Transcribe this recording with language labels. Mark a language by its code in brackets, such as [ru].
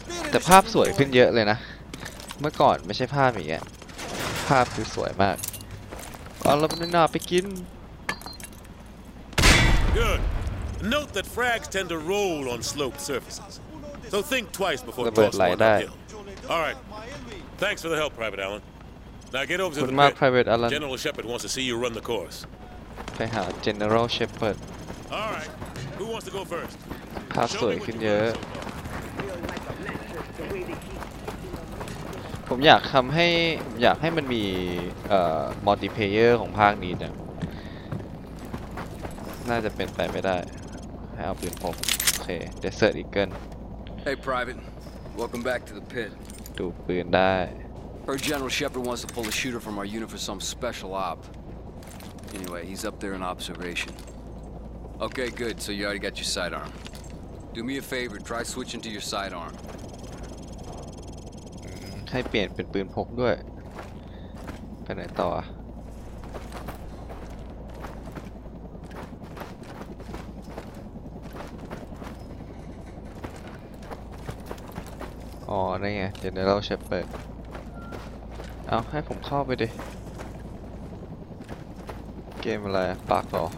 [th] แต่ภาพสวยขึ้นเยอะเลยนะเมื่อก่อนไม่ใช่ภาพอย่างเงี้ยภาพคือสวยมากเอาละไม่น่าไปกิน [en] Good. Note that frags tend to roll on sloped surfaces. So think twice before tossing one. All right. Thanks for the help, Private Allen. Now get over to the map, Private Allen. General Shepard wants to see you run the course. [th] ไปหา General Shepard. [en] All right. Who wants to go first? [th] ภาพสวยขึ้นเยอะผมอยากทำให้อยากให้มันมีมัลติเพลเยอร์ของภาคนี้เนี่ยน่าจะเป็นไปไม่ได้ให้เอาปืนผมโอเคเดสเซอร์อีเกิล [en] Hey Private Welcome back to the pit [th] ดูปืนได้ [en] Our General Shepard wants to pull a shooter from our unit for some special op Anyway he's up there in observation Okay good so you already got your sidearm Do me a favor try switching to your sidearm [th] ให้เปลี่ยนเป็นปืนพกด้วยไปไหนต่ออ๋อนี่ไงเดี๋ยวเราจะเปิดเอาให้ผมเข้าไปดิเกมอะไรปากต